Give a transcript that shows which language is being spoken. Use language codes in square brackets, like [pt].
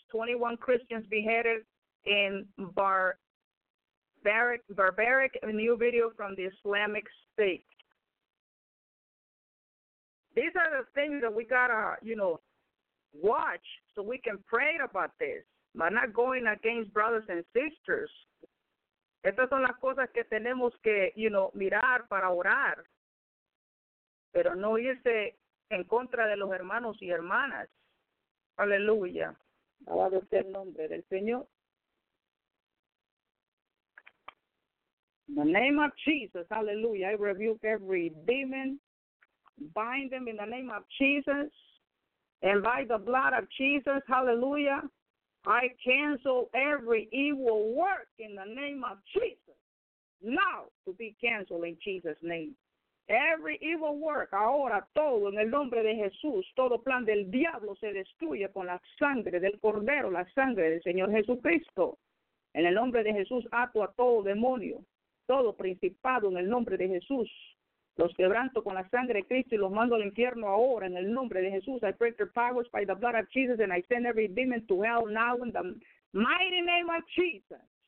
[en] 21 Christians beheaded in barbaric new video from the Islamic State. These are the things that we gotta, you know, watch so we can pray about this. But not going against brothers and sisters. [es] Estas son las cosas que tenemos que, [en] you know, [es] mirar para orar. Pero no irse en contra de los hermanos y hermanas. Aleluya. Alabado sea el nombre del Señor. [en] In the name of Jesus, aleluya. I rebuke every demon. Bind them in the name of Jesus. And by the blood of Jesus, hallelujah. I cancel every evil work in the name of Jesus. Now to be canceled in Jesus' name. Every evil work, [es] ahora todo en el nombre de Jesús, todo plan del diablo se destruye con la sangre del Cordero, la sangre del Señor Jesucristo. En el nombre de Jesús, ato a todo demonio, todo principado en el nombre de Jesús. Los quebranto con la sangre de Cristo y los mando al infierno ahora en el nombre de Jesús. [en] I break their powers by the blood of Jesus and I send every demon to hell now in the mighty name of Jesus.